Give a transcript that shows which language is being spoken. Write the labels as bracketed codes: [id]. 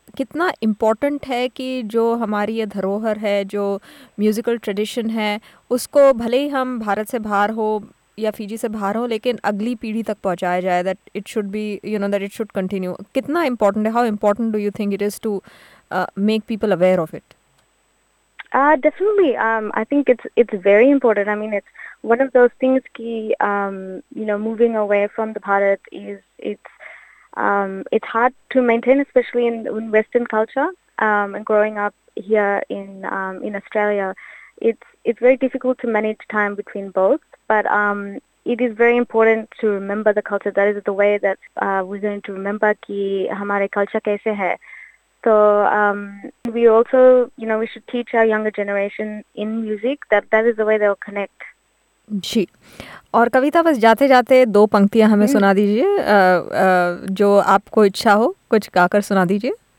[hi] कितना इम्पोर्टेंट है कि जो हमारी ये धरोहर है, जो म्यूज़िकल ट्रेडिशन है, उसको भले ही हम भारत से बाहर हो या फीजी से बाहर हो, लेकिन अगली पीढ़ी तक पहुंचाया जाए, [en] That it should be, you know, that it should continue. [hi] कितना इम्पोर्टेंट है, [en] How important do you think it is to make people aware of it? Definitely. I think it's very important. I mean, it's one of those things ki, you know, moving away from the Bharat is, it's hard to maintain, especially in Western culture, and growing up here in Australia, it's very difficult to manage time between both. But it is very important to remember the culture. That is the way that we're going to remember [hi] ki hamare culture kaise hai. [en] So we also, you know, we should teach our younger generation in music, that is the way they'll connect. [hi] जी. और कविता, बस जाते जाते दो पंक्तियां हमें सुना दीजिए, जो आपको इच्छा हो कुछ गाकर सुना दीजिए.